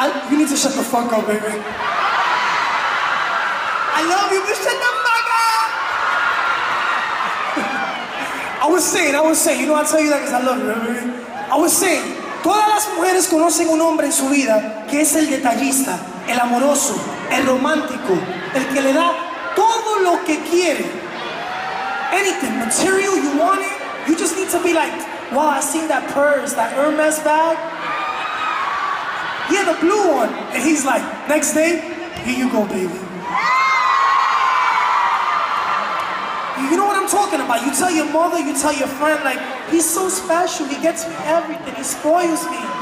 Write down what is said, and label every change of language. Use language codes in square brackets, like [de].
[en] You need to shut the fuck up, baby. I love you, but shut the fuck up. I was saying. You know, I'll tell you that because I love you, baby. I was saying. [es] Todas las mujeres conocen un hombre en su vida que es el detallista, el amoroso, el romántico, el que le da todo lo que quiere. [en] Anything, material, you want it, you just need to be like, wow, I seen that purse, that Hermes bag. Yeah, the blue one. And he's like, next day, here you go, baby. You know what I'm talking about. You tell your mother, you tell your friend, like, he's so special, he gets me everything, he spoils me.